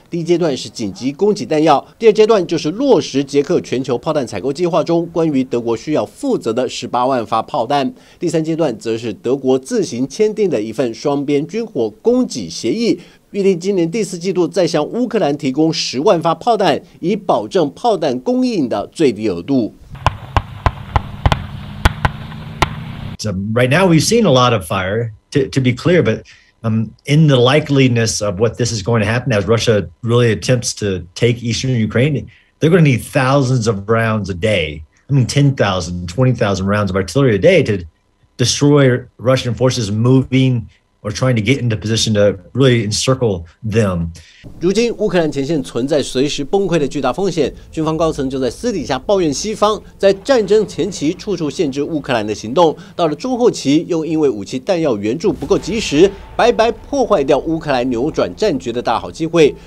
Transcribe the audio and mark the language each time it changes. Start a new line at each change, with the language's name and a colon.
Chinese: 第一阶段是紧急供给弹药，第二阶段就是落实捷克全球炮弹采购计划中关于德国需要负责的18万发炮弹，第三阶段则是德国自行签订的一份双边军火供给协议，预定今年第四季度再向乌克兰提供10万发炮弹，以保证炮弹供应的最低额度。
English: So right now we've seen a lot of fire. To be clear, but in the likeliness of what this is going to happen as Russia really attempts to take eastern Ukraine. They're going to need thousands of rounds a day. I mean, 10,000, 20,000 rounds of artillery a day to destroy Russian forces moving or trying to get into position to really encircle them.
Chinese: 如今乌克兰前线存在随时崩溃的巨大风险，军方高层就在私底下抱怨西方在战争前期处处限制乌克兰的行动，到了中后期又因为武器弹药援助不够及时，白白破坏掉乌克兰扭转战局的大好机会。